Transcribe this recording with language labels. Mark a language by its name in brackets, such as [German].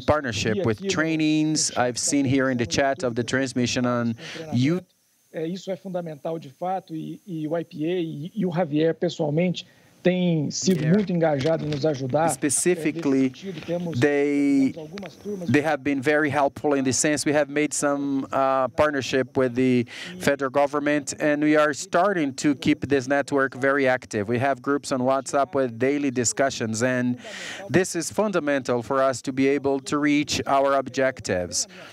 [English] In partnership with trainings, I've seen here in the chat of the transmission on YouTube. [Portuguese] Isso é fundamental de fato e o IPA e o Javier pessoalmente têm sido muito engajados em nos ajudar. [English] Specifically, they have been very helpful in the sense we have made some partnership with the federal government and we are starting to keep this network very active. We have groups on WhatsApp with daily discussions and this is fundamental for us to be able to reach our objectives.